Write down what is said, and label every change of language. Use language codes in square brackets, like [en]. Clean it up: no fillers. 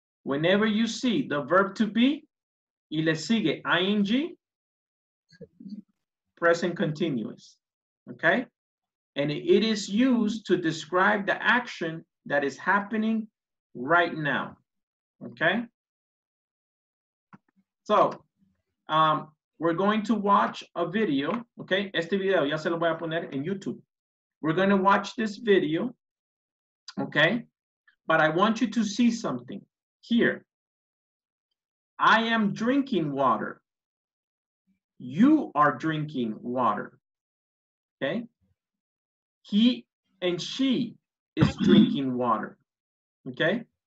[en] Whenever you see the verb to be, [es] y le sigue ing, [en] present continuous, okay? And it is used to describe the action that is happening right now, okay? So, we're going to watch a video, okay? [es] Este video, ya se lo voy a poner en YouTube. [en] We're going to watch this video, okay? But I want you to see something here. I am drinking water. You are drinking water, okay? He and she is drinking water, okay?